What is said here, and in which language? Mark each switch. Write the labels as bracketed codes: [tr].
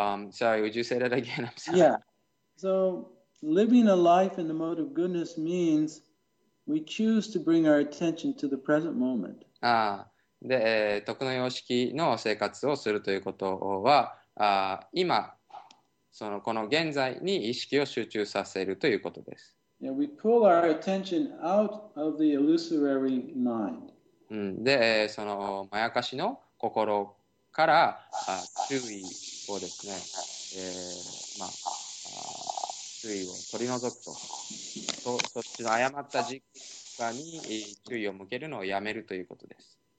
[en] Sorry, would you say that again? I'm sorry. Yeah. So living a life in the mode of goodness means we choose to bring our attention to the present moment. Ah. [ja] で、徳の様式の生活をするということは、今そのこの現在に意識を集中させるということです。 [en] Yeah, we pull our attention out of the illusory mind. [ja] で、そのまやかしの心から注意をですね、まあ、注意を取り除くと、そっちの誤った実感に注意を向けるのをやめるということです。